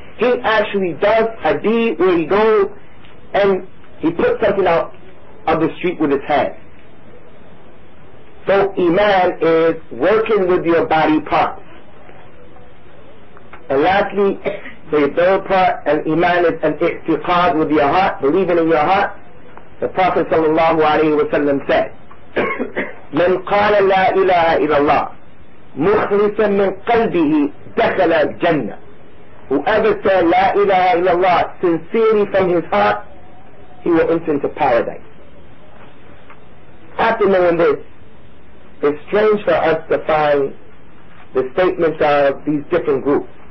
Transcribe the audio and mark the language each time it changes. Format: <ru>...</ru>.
<en>He actually does a deed where he goes and he puts something out of the street with his hand. So Iman is working with your body parts. And lastly, the third part, an Iman is an i'tiqad with your heart, believing in your heart. The Prophet sallallahu alayhi wa sallam said,</en> <ar>من قال لا إله إلا الله مخلصا من قلبه دخل الجنة.</ar> <en>Whoever said La ilaha illallah sincerely from his heart, he will enter into paradise. After knowing this, it's strange for us to find the statements of these different groups.</en>